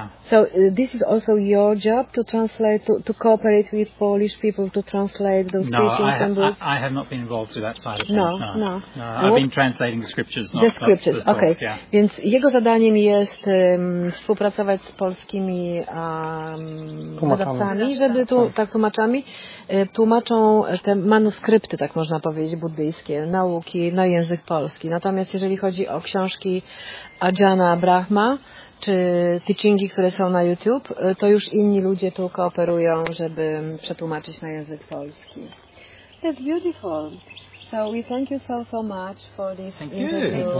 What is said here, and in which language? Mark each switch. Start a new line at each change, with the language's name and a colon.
English: So this is also your job to translate, to cooperate with Polish people to translate those teachings and books? I have not been involved to that side of things. No. I've been translating the scriptures, not the scriptures. Not the talks, okay.
Polish: Więc jego zadaniem jest współpracować z polskimi wydawcami, żeby tu tak tłumaczami tłumaczą te manuskrypty, tak można powiedzieć, buddyjskie, nauki na język polski. Natomiast jeżeli chodzi o książki Ajahna Brahma, czy teachingi, które są na YouTube, to już inni ludzie tu kooperują, żeby przetłumaczyć na język polski.
English: That's beautiful. So we thank you so, so much for this interview.